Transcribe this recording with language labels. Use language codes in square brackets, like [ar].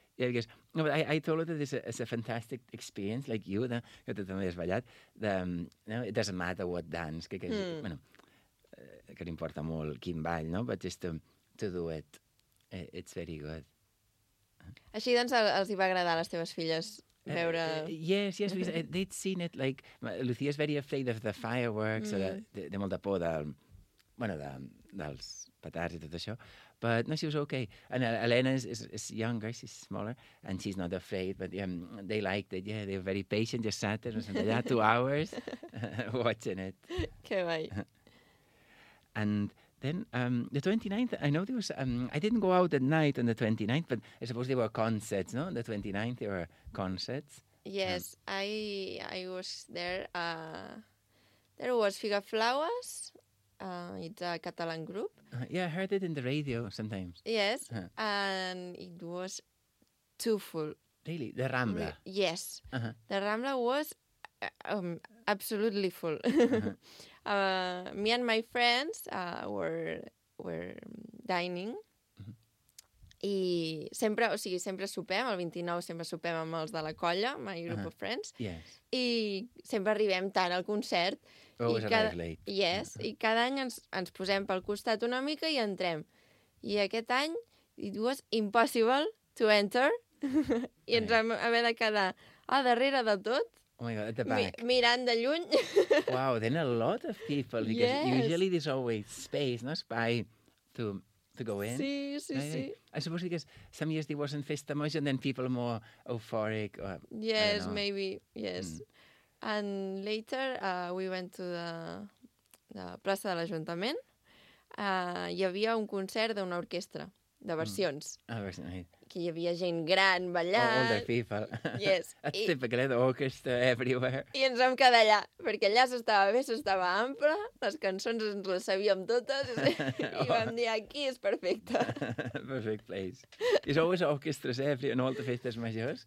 [en] Yeah, because no, but I told her that it's a fantastic experience, like you, [ca] que tu també has ballat. [en] No, it doesn't matter what dance, [ca] que és, bueno, que no importa molt quin ball, no? [en] But just to do it, it's very good. [ca] Així, doncs, els hi va agradar a les teves filles veure... [en] Yes, because they'd seen it, like, Lucía is very afraid of the fireworks, so [ca] de molta por del, bueno, dels petards i tot això. [en] But no, she was okay. And Elena is younger, she's smaller, and she's not afraid, but they liked it. Yeah, they were very patient, just sat there, and yeah, 2 hours watching it. [ca] Que guai. [en] And then the 29th, I know there was, I didn't go out at night on the 29th, but I suppose there were concerts, no? On the 29th, there were concerts. Yes, I was there. There was Figaflauas. It's a Catalan group. Yeah, I heard it in the radio sometimes. Yes, and it was too full. Really? The Rambla? Yes. Uh-huh. The Rambla was absolutely full. Uh-huh. Me and my friends were dining. [ca] Uh-huh. I sempre, o sigui, sempre sopem, el 29 sempre sopem amb els de la colla, [en] my group uh-huh. of friends. Yes. [ca] I sempre arribem tard al concert. Yes, i cada any ens posem pel costat una mica i entrem. I aquest any, [en] it was impossible to enter. [ca] I ens vam haver de quedar darrere de tot. [en] Oh my God, at the back. [ca] Mirant de lluny. [en] Wow, then a lot of people. Because yes. Usually there's always space, no? Spy to go in. [ca] Sí, sí, right? Sí. [en] I suppose because some years there wasn't Festa Major and then people more euphoric. Or, yes, maybe, yes. Mm. And later we went to the Plaça de l'Ajuntament. [ca] Hi havia un concert d'una orquestra de versions. Ah, versions. Que hi havia gent gran ballant. [en] All the people. Yes. That's typical, the orchestra everywhere. [ca] I ens vam quedar allà, perquè allà s'estava bé, s'estava ample, les cançons ens les sabíem totes, i vam dir, aquí és perfecte. [en] Perfect place. There's always orchestras everywhere, all the festes majors.